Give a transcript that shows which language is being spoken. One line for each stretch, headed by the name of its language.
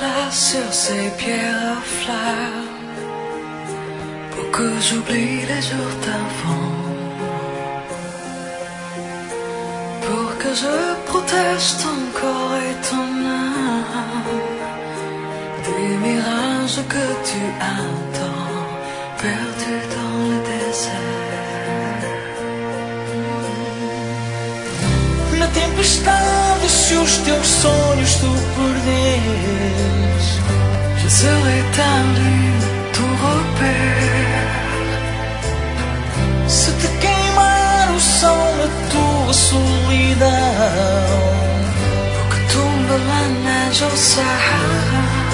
French: Sur ces pierres fleurs, pour que j'oublie les jours d'avant, pour que je protège ton corps et ton âme des mirages que tu attends, perdu dans le désert.
Portuguese: Na tempestade, se os teus sonhos tu perderes,
French: je serai ta lune, ton repère.
Portuguese: Se te queimar o sol na tua solidão,
French: pour que tombe la neige au Sahara.